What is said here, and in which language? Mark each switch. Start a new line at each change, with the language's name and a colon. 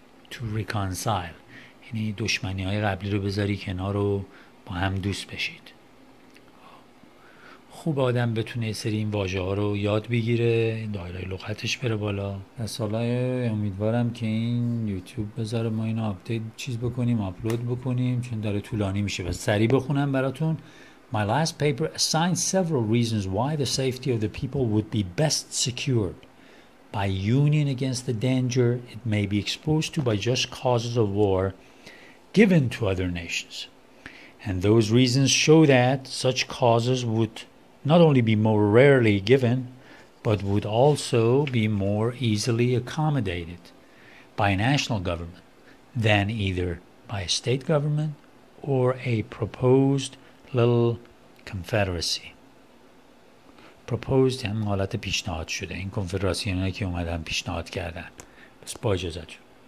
English: To reconcile
Persian: یعنی دشمنی های قبلی رو بذاری کنار رو با هم دوست بشید. خوب آدم بتونه سری این واژه ها رو یاد بگیره، دایره لغتش بره بالا. سالای امیدوارم که این یوتیوب بذاره ما اینو آپدیت چیز بکنیم، آپلود بکنیم، چون داره طولانی میشه. بس سری بخونم براتون.
English: My last paper assigned several reasons why the safety of the people would be best secured by union against the danger it may be exposed to by just causes of war given to other nations. And those reasons show that such causes would not only be more rarely given, but would also be more easily accommodated by a national government than either by a state government or a proposed little confederacy.
Persian: Proposed هم حالت پیشنهاد شده. این کنفدراسیون هایی که اومدن پیشنهاد کردن. بس با اجازتون.